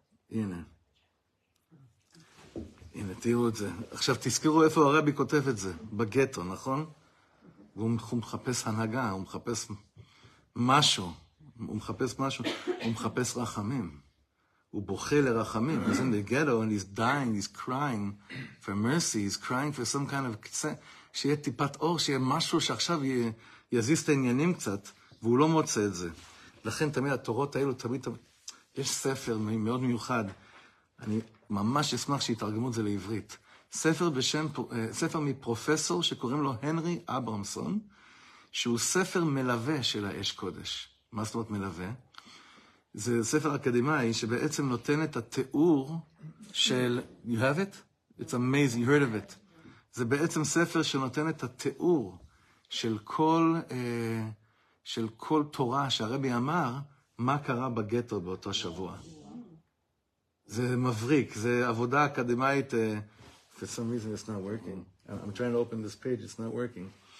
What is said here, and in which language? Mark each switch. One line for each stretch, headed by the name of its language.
Hebrew: הנה, תראו את זה. עכשיו תזכרו איפה הרבי כותב את זה, בגטו, נכון? והוא מחפש הנהגה, הוא מחפש משהו, הוא מחפש רחמים. הוא בוכה לרחמים.
English: He's in the ghetto and he's dying, he's crying for mercy, he's crying for some kind of...
Hebrew: שיהיה טיפת אור, שיהיה משהו שעכשיו יזיז את העניינים קצת, והוא לא מוצא את זה. לכן תמיד התורות האלו, יש ספר מאוד מיוחד, אני ממש אשמח שיתרגמו את זה לעברית. ספר מפרופסור שקוראים לו הנרי אברמסון, שהוא ספר מלווה של האש קודש. מה זאת אומרת מלווה? זה ספר אקדמי שבעצם נותן את התיאור של...
English: You have it? It's amazing, you heard of it.
Hebrew: זה בעצם ספר שנותן את התיאור של... של כל של כל תורה שהרבי אמר מה קרה בגטו באותו שבוע. זה מבריק, זה עבודה אקדמית.
English: For some reason it's not working. I'm trying to open this page, it's not working.